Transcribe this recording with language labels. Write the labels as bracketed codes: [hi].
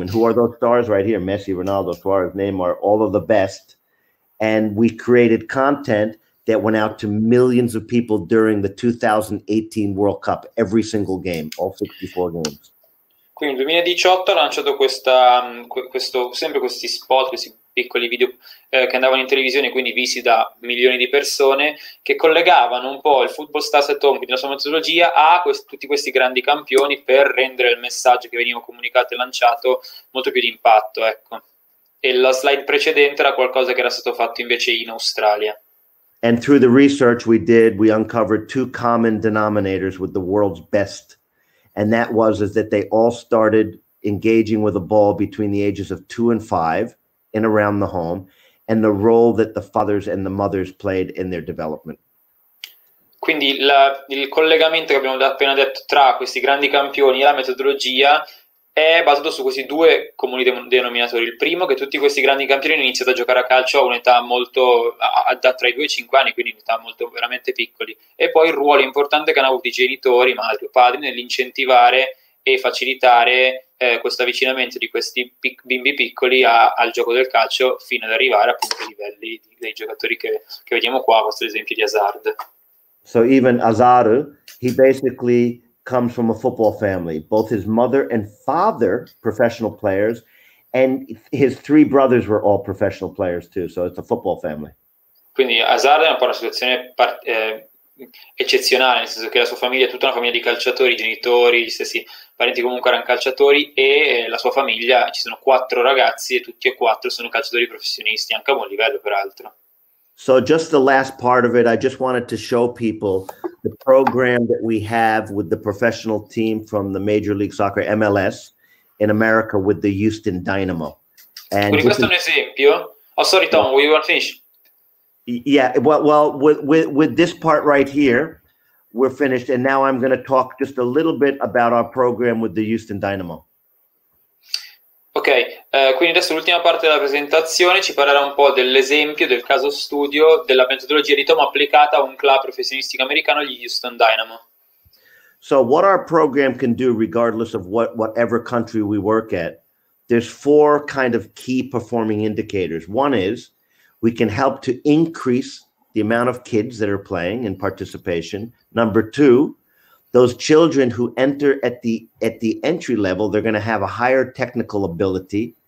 [en] And who are those stars right here? Messi, Ronaldo, Suarez, Neymar, all of the best. And we created content that went out to millions of people during the 2018 World Cup, every single game, all 64 games. [it] Quindi nel 2018 ho lanciato questi spot, questi piccoli video che andavano in televisione, quindi visi da milioni di persone, che collegavano un po' il football stars at home, quindi la sua metodologia, a tutti questi grandi campioni per rendere il messaggio che veniva comunicato e lanciato molto più di impatto, ecco. E la slide precedente era qualcosa che era stato fatto invece in Australia. [en] And through the research we did, we uncovered two common denominators with the world's best. And that was is that they all started engaging with a ball between the ages of 2 and 5 and around the home, and the role that the fathers and the mothers played in their development. [it] Quindi il collegamento che abbiamo appena detto tra questi grandi campioni e la metodologia è basato su questi due comuni denominatori. Il primo, che tutti questi grandi campioni hanno iniziato a giocare a calcio a un'età molto da tra i 2 e 5 anni, quindi un'età molto veramente piccoli, e poi il ruolo importante che hanno avuto i genitori, madri o padri, nell'incentivare e facilitare questo avvicinamento di questi bimbi piccoli al gioco del calcio, fino ad arrivare appunto ai livelli dei giocatori che vediamo qua, questo esempio di Hazard. [en] So even Hazard, he basically comes from a football family, both his mother and father professional players, and his three brothers were all professional players too, so it's a football family. [it] Quindi Hazard è un po' una situazione eccezionale, nel senso che la sua famiglia è tutta una famiglia di calciatori, genitori, gli stessi parenti comunque erano calciatori, e la sua famiglia, ci sono 4 ragazzi e tutti e 4 sono calciatori professionisti, anche a buon livello peraltro. [en] So just the last part of it, I just wanted to show people the program that we have with the professional team from the Major League Soccer, MLS, in America with the Houston Dynamo. And [it] quindi questo è un esempio. [en] Oh, sorry Tom, we want to finish. Yeah, well with this part right here, we're finished, and now I'm going to talk just a little bit about our program with the Houston Dynamo. [it] Ok, quindi adesso l'ultima parte della presentazione ci parlerà un po' dell'esempio, del caso studio, della metodologia di Tom applicata a un club professionistico americano, gli Houston Dynamo. [en] So what our program can do, regardless of whatever country we work at, there's 4 kind of key performing indicators. One is we can help to increase the amount of kids that are playing in participation. Number 2, those children who enter at the entry level, they're going to have a higher technical ability.